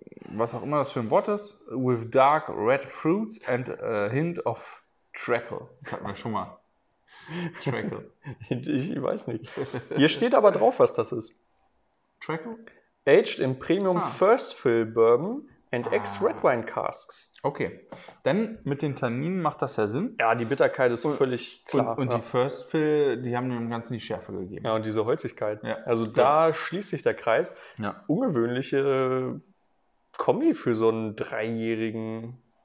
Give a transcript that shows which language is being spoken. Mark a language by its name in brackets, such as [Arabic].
[German] Was auch immer das für ein Wort ist. [English] With dark red fruits and a hint of treacle. [German] Das hatten wir schon mal. Treacle. Ich weiß nicht. Hier steht aber drauf, was das ist. Treacle? [English] Aged in Premium First Fill Bourbon and Ex Red Wine Casks. [German] Okay. Denn mit den Tanninen macht das ja Sinn. Ja, die Bitterkeit ist völlig klar. Und die First Fill, die haben dem Ganzen die Schärfe gegeben. Ja, und diese Holzigkeit. Ja, also klar. Da schließt sich der Kreis. Ja. Ungewöhnliche Kombi für so einen dreijährigen.